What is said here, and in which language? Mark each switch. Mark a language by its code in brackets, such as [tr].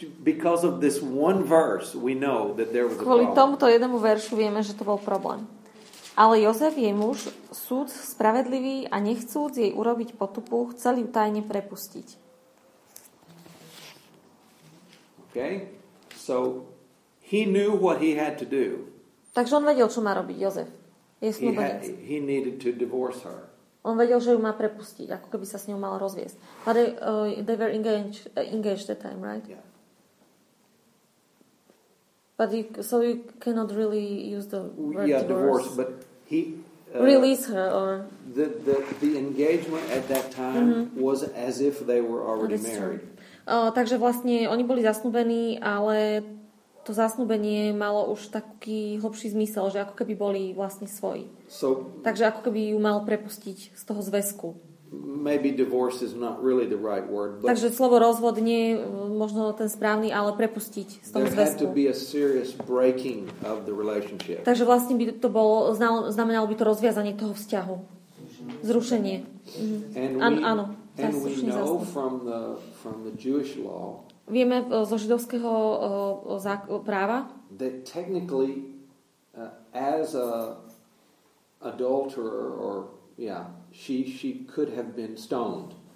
[en] Because of this one verse, we know that there was a problem. [sk] Kvôli tomuto jednému veršu vieme, že to bol problém. Ale Jozef, jej muž, súd spravedlivý a nechcúc jej urobiť potupu, chcel ju tajne prepustiť. [en] Okay. So he knew what he had to do. [sk] Takže on vedel, čo má robiť Jozef. Je snúbenec. [en] He needed to divorce her. [sk] On vedel, že ju má prepustiť, ako keby sa s ňou mal rozviesť. [en] But they were engaged that time, right? Yeah. But you cannot really use the word divorce. Yeah, divorce, but he release her or the engagement at that time mm-hmm. was as if they were already married. [sk] Takže vlastne oni boli zasnúbení, ale to zasnúbenie malo už taký hlbší zmysel, že ako keby boli vlastne svoji. [en] So, [sk] takže ako keby ju mal prepustiť z toho zväzku. [en] Maybe divorce is not really the right word. But [sk] takže slovo rozvod nie je možno ten správny, ale prepustiť z toho zväzku. [en] There had to be a serious breaking of the relationship. [sk] Takže vlastne by to bolo, znamenalo by to rozviazanie toho vzťahu. Zrušenie. Áno. [en] And we know from the Jewish law. [sk] Vieme zo židovského práva. [en] That technically as a adulterer or yeah, she could have been stoned.